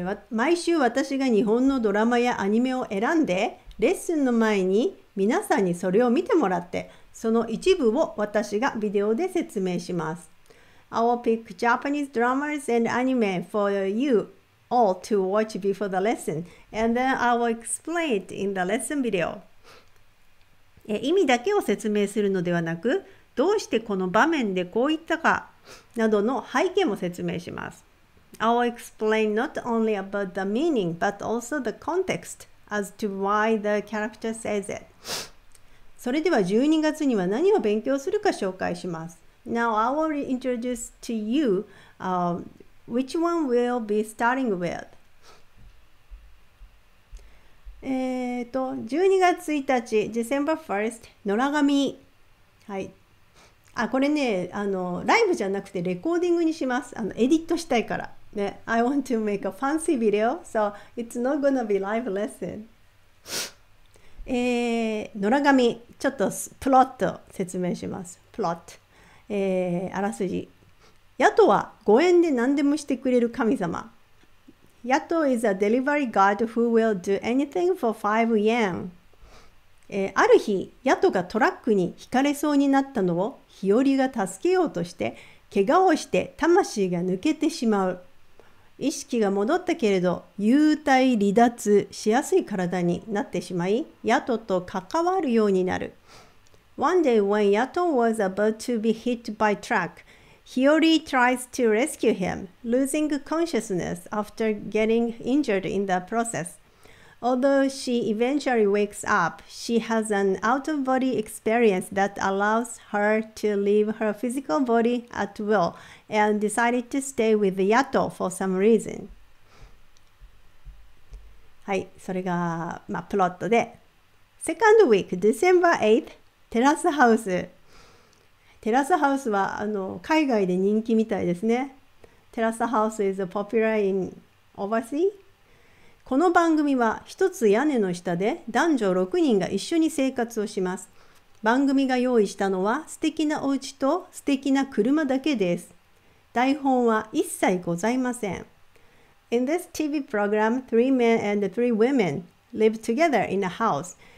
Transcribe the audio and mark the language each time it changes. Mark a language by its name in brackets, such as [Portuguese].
[Japanese] 毎週私が日本のドラマやアニメを選んで、レッスンの前に皆さんにそれを見てもらって、その一部を私がビデオで説明します。 [English] I will pick Japanese dramas and anime for you all to watch before the lesson, and then I will explain it in the lesson video. [Japanese] 意味だけを説明するのではなく、どうしてこの場面でこう言ったかなどの背景も説明します。 [English] I will explain not only about the meaning, but also the context as to why the character says it. [Japanese] それでは12月には何を勉強するか紹介します。 [English] Now I will introduce to you, which one will be starting with. [Japanese] 12月1日、December 1st、野良神。はい。あ、これね、ライブじゃなくてレコーディングにします。エディットしたいから。ね。 [English] I want to make a fancy video, so it's not gonna be live lesson. [Japanese] 野良神、ちょっとプロット説明します。プロット、あらすじ。ヤトは5円で何でもしてくれる神様。 [English] ヤト is a delivery god who will do anything for 5 yen。 [Japanese] ある日、ヤトがトラックにひかれそうになったのを日和が助けようとして、怪我をして魂が抜けてしまう。意識が戻ったけれど、幽体離脱しやすい体になってしまい、ヤトと関わるようになる。 [English] One day when Yato was about to be hit by truck, Hiyori tries to rescue him, losing consciousness after getting injured in the process. Although she eventually wakes up, she has an out-of-body experience that allows her to leave her physical body at will and decided to stay with Yato for some reason. [Japanese] はい、それが、まあ、プロットで。 [English] Second week, December 8th, テラスハウス。 [Japanese] テラスハウスは海外で人気みたいですね。 [English] テラスハウス is popular in overseas。 [Japanese] この番組は一つ屋根の下で男女6人が一緒に生活をします。番組が用意したのは素敵なお家と素敵な車だけです。台本は一切ございません。 [English] In this TV program, three men and three women live together in a house.